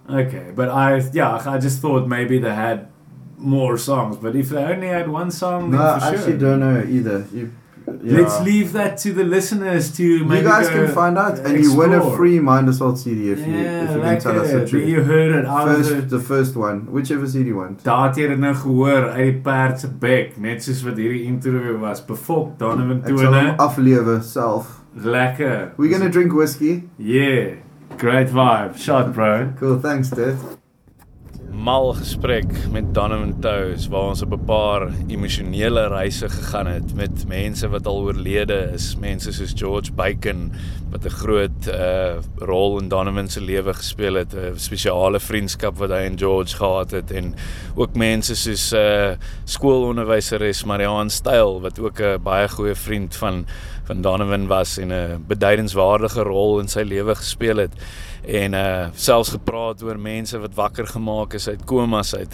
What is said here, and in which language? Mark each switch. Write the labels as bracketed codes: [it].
[en] Okay, but I just thought maybe they had more songs, but if they only had one song, no, then for I sure. Actually don't know either. Let's leave that to the listeners to maybe. You guys can find out, and you win a free Mindassault CD if you can tell us the truth. You heard it. The first one, whichever CD one. [af] Daar het jy nou gehoor, uit die paard se bek, net soos wat hierdie interview was. Bevolk Donovan Toone. Ek sal hom aflewe self. Lekker. [en] We gonna drink whiskey. Yeah. Great vibe. Shot, bro. Cool, thanks, dude. [af] Mal gesprek met Donovan Toews, waar ons op 'n paar emosionele reise gegaan het met mense wat al oorlede is, mense soos George Bacon, wat 'n groot rol in Donovan se lewe gespeel het, 'n spesiale vriendskap wat hy en George gehad het, en ook mense soos skoolonderwyseres Marianne Steil, wat ook 'n baie goeie vriend van Donovan was en 'n beduidenswaardige rol in sy lewe gespeel het. En selfs gepraat oor mense wat wakker gemaak is uit komas uit.